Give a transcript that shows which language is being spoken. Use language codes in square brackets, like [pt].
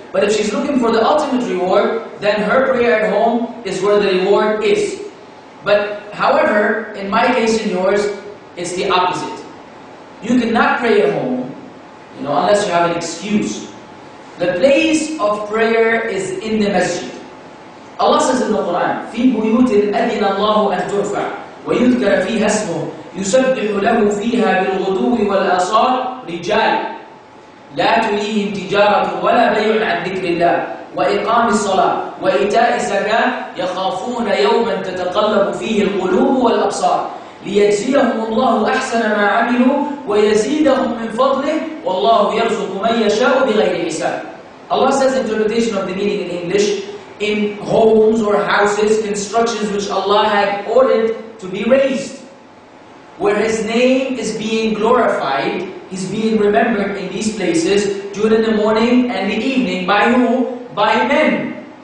[en] But if she's looking for the ultimate reward, then her prayer at home is where the reward is. But however, in my case and yours, it's the opposite. You cannot pray at home, you know, unless you have an excuse. The place of prayer is in the masjid. Allah says in the Quran, [ar] فِي بُيُوتٍ أَذِنَ اللَّهُ أَنْ تُرْفَعَ وَيُذْكَرَ فِيهَا اسْمُهُ يُسَبِّحُ لَهُ فِيهَا بِالْغُدُوِّ وَالْأَصَالِ رِجَالٍ لا تليهم تجارة ولا بيع عن ذكر الله وإقام الصلاة وإيتاء الزكاة يخافون يوما تتقلب فيه القلوب والأبصار ليجزيهم الله أحسن ما عملوا ويزيدهم من فضله والله يرزق من يشاء بغير حساب. [en] Allah says interpretation of the meaning in English, in homes or houses, constructions which Allah had ordered to be raised, where His name is being glorified, He's being remembered in these places during the morning and the evening. By who? By men.